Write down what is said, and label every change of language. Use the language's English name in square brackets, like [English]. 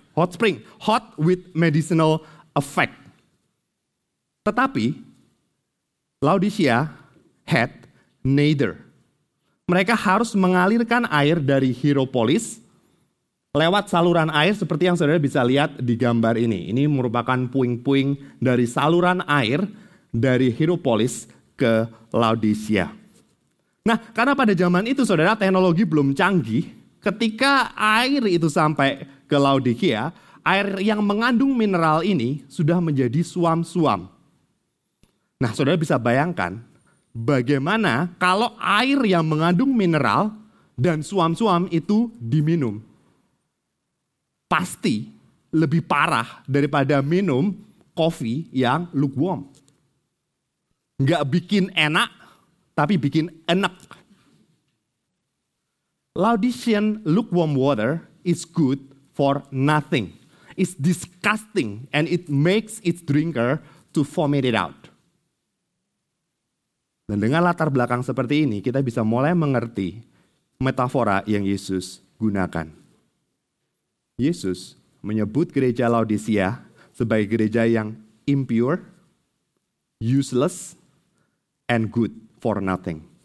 [English] Hot spring, hot with medicinal effect. [Indonesian] Tetapi, [English] Laodicea had neither. [Indonesian] Mereka harus mengalirkan air dari Hierapolis lewat saluran air seperti yang saudara bisa lihat di gambar ini. Ini merupakan puing-puing dari saluran air dari Hierapolis ke Laodicea. Nah, karena pada zaman itu saudara teknologi belum canggih, ketika air itu sampai ke Laodicea, air yang mengandung mineral ini sudah menjadi suam-suam. Nah, saudara bisa bayangkan bagaimana kalau air yang mengandung mineral dan suam-suam itu diminum? Pasti lebih parah daripada minum kopi yang lukewarm. Nggak bikin enak, tapi bikin enak. [English] Laodicean lukewarm water is good for nothing. It's disgusting and it makes its drinker to vomit it out. [Indonesian] Dan dengan latar belakang seperti ini, kita bisa mulai mengerti metafora yang Yesus gunakan. Yesus menyebut gereja Laodicea sebagai gereja yang [English] impure, useless, and good for nothing.